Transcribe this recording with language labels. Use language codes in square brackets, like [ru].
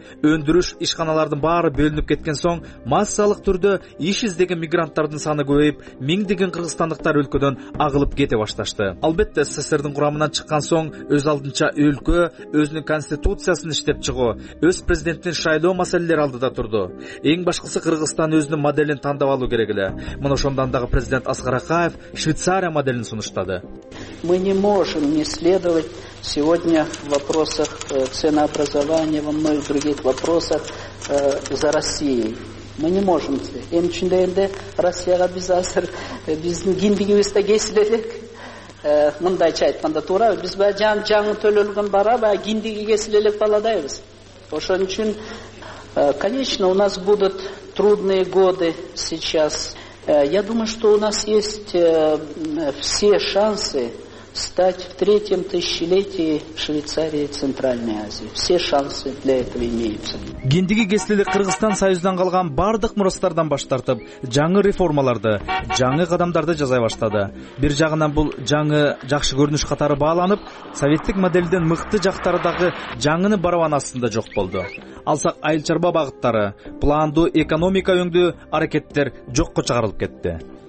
[ky] Өндүрүш ишканалардын баары бөлүнүп кеткен соң, массалык түрдө иш издеген мигранттардын саны көбөйүп, миңдеген кыргызстандыктар өлкөдөн агылып кете башташты. Албетте, СССРдин курамынан чыккан соң, өз алдынча өлкө өзүнүн конституциясын иштеп чыгуу, өз президентин шайлоо маселелери алдыда турду. Эң башкысы Кыргызстан өзүнүн моделин тандап алуу керек эле. Мына ошондон дагы президент Аскар Акаев Швейцария моделин сунуштады. [ru] Мы не можем не следовать сегодня в вопросах ценообразования, во многих других вопросах за Россией. Мы не можем. [ky] Эми чынында эле Россияга биз азыр биздин киндигибизде кесилет элек. Мындайча айтканда туурабы? Биз жаңы төлөлгөн бара баягы киндиги кесилет элек баладайбыз. Ошон үчүн [ru] конечно, у нас будут трудные годы сейчас. Я думаю, что у нас есть все шансы стать в третьем тысячелетии Швейцарии и Центральной Азии. Все шансы для этого имеются. [ky] Кендиги кесилели Кыргызстан союздан калган бардык мурастардан баш тартып, жаңы реформаларды, жаңы кадамдарды жасай баштады. Бир жагынан бул жаңы жакшы көрүнүш катары бааланып, советтик моделден мыкты жактары дагы жаңыны барабан астында жок болду. Алсак айыл чарба багыттары, пландуу экономика өңдүү аракеттер жокко чыгарылып кетти.